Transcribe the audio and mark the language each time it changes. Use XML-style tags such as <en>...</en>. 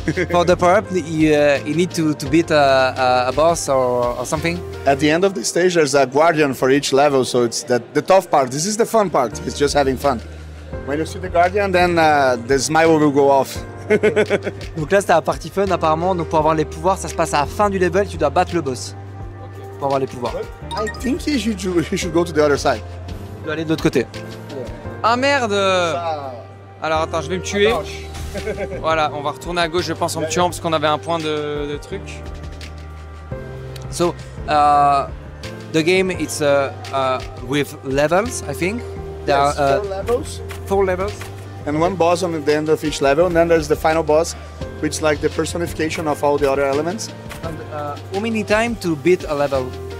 <en>For the power up, you need to beat a boss or something. At the end of the stage, there's a guardian for each level, so it's the tough part. This is the fun part, it's just having fun. When you see the guardian, then the smile will go off.</en> <fr>Donc là, c'est la partie fun, apparemment. Donc pour avoir les pouvoirs, ça se passe à la fin du level, tu dois battre le boss. Okay. Pour avoir les pouvoirs.</fr> <en>But I think you should go to the other side.</en> <fr>Tu dois aller de l'autre côté. Ah merde! Alors attends, je vais me tuer. Voilà, on va retourner à gauche, je pense, en me tuant parce qu'on avait un point de truc.</fr> <en>So, the game it's with levels, I think. There are four levels. Four levels. And one boss on the end of each level, and then there's the final boss, which is like the personification of all the other elements. And how many time to beat a level?</en>